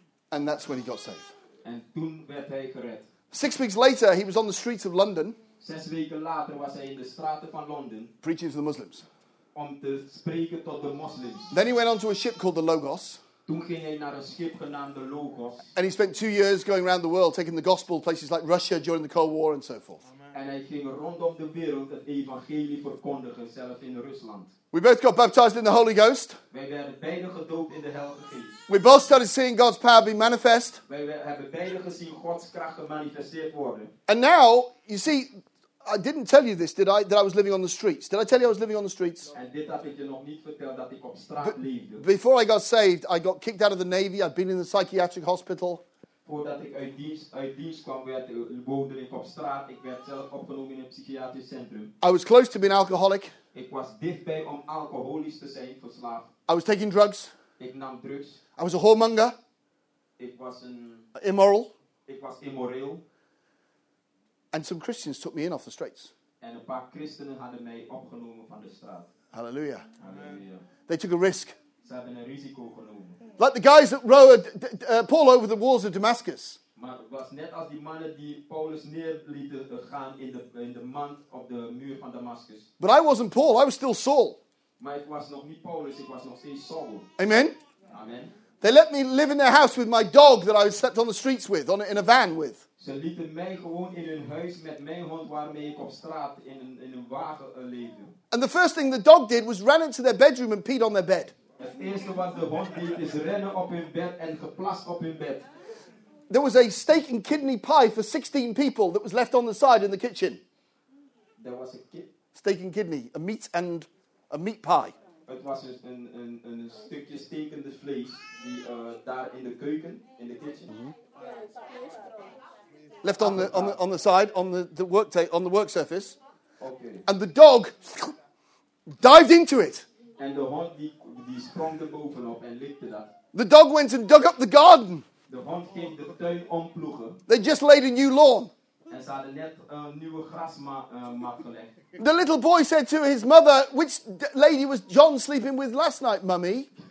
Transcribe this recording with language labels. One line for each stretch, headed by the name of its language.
English: And that's when he got saved. 6 weeks later, he was on the streets of London.
Dutch: 6 weken later was hij in de straten van Londen.
English: Preaching to the Muslims.
Dutch: Om te spreken tot de moslims.
English: Then he went on to a ship called the Logos.
Dutch: Toen ging hij naar een schip genaamd de Logos.
English: And he spent 2 years going around the world, taking the gospel to places like Russia during the Cold War and so forth. Amen.
Dutch: En hij ging rondom de wereld het evangelie verkondigen, zelf in Rusland.
English: We both got baptized in the Holy Ghost.
Dutch: Wij werden beide gedoopt in de Heilige Geest.
English: We both started seeing God's power be manifest.
Dutch: Wij hebben beide gezien Gods kracht gemanifesteerd worden.
English: And now, you see, I didn't tell you this, did I? That I was living on the streets. Did I tell you I was living on the streets?
Dutch: En dit heb ik je nog niet verteld, dat ik op straat leefde.
English: Before I got saved, I got kicked out of the Navy. I'd been in the psychiatric hospital.
Dutch: Voordat ik uit dienst kwam, woonde ik op straat. Ik werd zelf opgenomen in een psychiatrisch centrum.
English: I was close to being alcoholic.
Dutch: Ik was dichtbij om alcoholisch te zijn, verslaafd.
English: I was taking drugs.
Dutch: Ik nam drugs.
English: I was a whoremonger.
Dutch: Ik was een...
English: Immoral.
Dutch: Ik was immoreel.
English: And some Christians took me in off the streets.
Dutch: En een paar christenen hadden mij opgenomen van de straat. Hallelujah. Amen.
English: They took a risk.
Dutch: Ze hebben een risico genomen.
English: Like the guys that rode Paul over the walls of Damascus.
Dutch: Maar het was net als die mannen die Paulus neerlieten gaan in de mand op de muur van Damascus.
English: But I wasn't Paul, I was still Saul.
Dutch: Maar ik was nog niet Paulus, ik was nog steeds Saul. Amen. Amen.
English: They let me live in their house with my dog that I slept on the streets with, in a van with.
Dutch: Ze lieten mij gewoon in hun huis met mijn hond waarmee ik op straat in een wagen leefde.
English: And the first thing the dog did was run into their bedroom and peed on their bed.
Dutch: Het eerste wat de hond deed is rennen op hun bed en geplast op hun bed.
English: There was a steak and kidney pie for 16 people that was left on the side in the kitchen. There was a steak and kidney, a meat and a meat pie.
Dutch: Het was een stukje stekende vlees die daar in de keuken, in de kitchen. Mm-hmm.
English: Left on the side, on the work table, on the work surface. Okay. And the dog dived into it.
Dutch: En de hond die sprong er bovenop en likte dat.
English: The dog went and dug up the garden.
Dutch: De hond ging de tuin omploegen.
English: They just laid a new lawn.
Dutch: En ze hadden net een nieuwe grasmat gelegd.
English: The little boy said to his mother, which lady was John sleeping with last night, mummy?